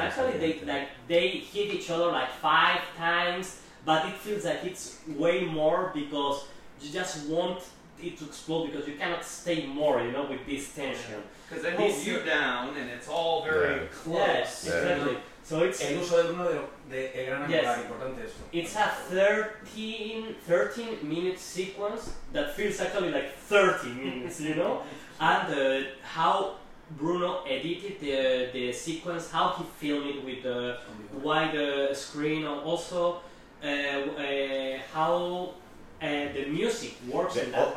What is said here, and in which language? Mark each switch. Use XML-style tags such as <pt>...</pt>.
<en>Actually, they hit each other like 5 times, but it feels like it's way more because you just want it to explode because you cannot stay more, you know, with this tension. Because they hold you down and it's all very close. Yes, exactly. So it's</en> <es>el uso del uno de el gran angular, importante eso.</es> <en>It's a 13 minute sequence that feels actually like 30 minutes, you know? And how Bruno edited the sequence, how he filmed it with the wide screen, also how the music works in that.</en>